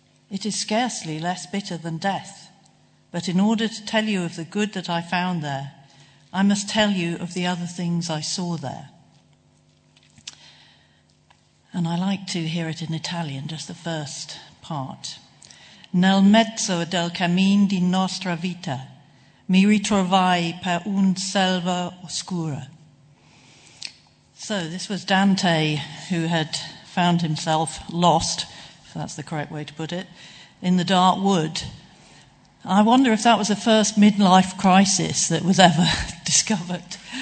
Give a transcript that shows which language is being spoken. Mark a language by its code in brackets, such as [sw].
[en] It is scarcely less bitter than death, but in order to tell you of the good that I found there, I must tell you of the other things I saw there. And I like to hear it in Italian, just the first part. [it] Nel mezzo del cammin di nostra vita mi ritrovai per un selva oscura. [en] So this was Dante, who had found himself lost, if that's the correct way to put it, in the dark wood. I wonder if that was the first midlife crisis that was ever discovered.